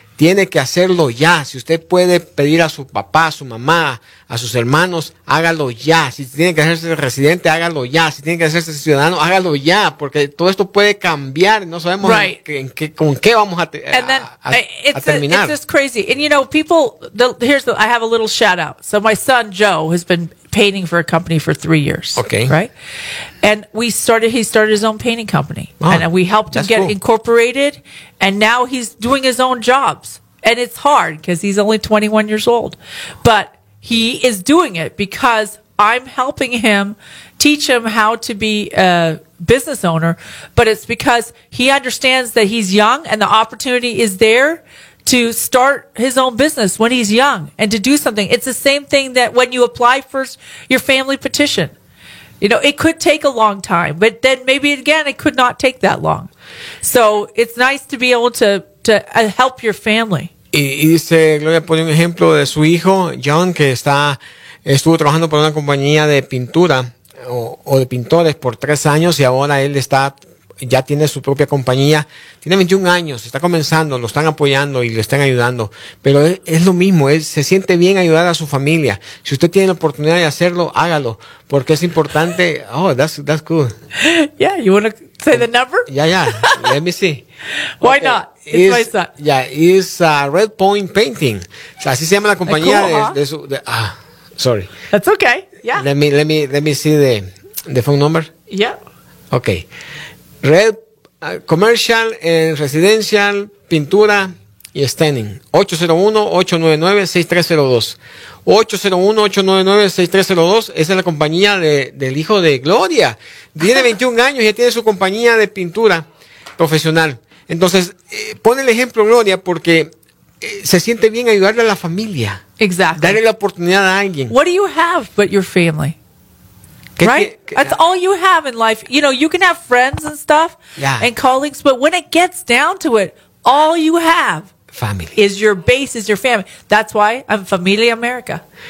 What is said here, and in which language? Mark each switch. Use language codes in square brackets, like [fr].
[es] Tiene que hacerlo ya. Si usted puede pedir a su papá, a su mamá, a sus hermanos, hágalo ya. Si tiene que hacerse residente, hágalo ya. Si tiene que hacerse ciudadano, hágalo ya. Porque todo esto puede cambiar. No sabemos [en] right. [es] con qué vamos a terminar. [en] It's just crazy. And you know, I have a little shout out. So my son Joe has been painting for a company for 3 years. Okay. Right? And he started his own painting company. Oh, and we helped him get incorporated. And now he's doing his own jobs. And it's hard because he's only 21 years old. But he is doing it because I'm helping him, teach him how to be a business owner. But it's because he understands that he's young and the opportunity is there to start his own business when he's young and to do something. It's the same thing that when you apply for your family petition. You know, it could take a long time, but then maybe again, it could not take that long. So it's nice to be able to help your family. [es] Y dice, Gloria pone un ejemplo de su hijo, John, que está estuvo trabajando para una compañía de pintura o de pintores por 3 años y ahora él está, ya tiene su propia compañía. Tiene 21 años, está comenzando, lo están apoyando y le están ayudando. Pero es lo mismo, él se siente bien ayudar a su familia. Si usted tiene la oportunidad de hacerlo, hágalo, porque es importante. [en] Oh, that's good. Yeah, you want to say the number? Yeah, yeah, let me see. Why not? It's my son. Yeah, it's Red Point Painting. [es] Así se llama la compañía de su... [en] Sorry. That's okay. Yeah. Let me see the phone number. Yeah. Okay. Red Commercial Residential [es] Pintura y [en] Staining. 801-899-6302. 801-899-6302. [es] Esa es la compañía del hijo de Gloria. Tiene 21 años y ya tiene su compañía de pintura profesional. Entonces, pone el ejemplo, Gloria, porque se siente bien ayudarle a la familia. [en] Exactly. [es] Darle la oportunidad a alguien. [en] What do you have but your family? Right? That's all you have in life. You know, you can have friends and stuff and colleagues, but when it gets down to it, all you have family. Is your base, is your family. That's why I'm Familia America.